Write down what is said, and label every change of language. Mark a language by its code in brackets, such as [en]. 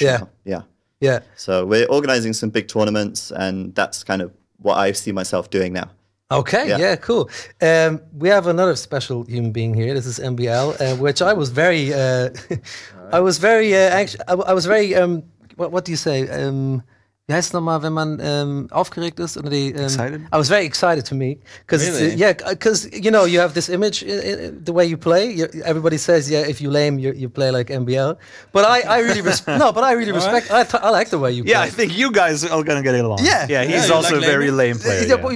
[en] Yeah So we're organizing some big tournaments and that's kind of what I see myself doing now. Okay, yeah, cool. We have another special human being here. This is MbL, which I was very, I was very anxious. I was very, what do you say? [de] Wie heißt es nochmal, wenn man aufgeregt ist? Oder die, [en] excited? I was very excited to meet. Cause really? Yeah, because, you know, you have this image, the way you play. Everybody says, yeah, if you're lame, you play like MbL. But I really respect, I like the way you play. Yeah, I think you guys are going to get along. Yeah. Yeah, he's also like a very lame player.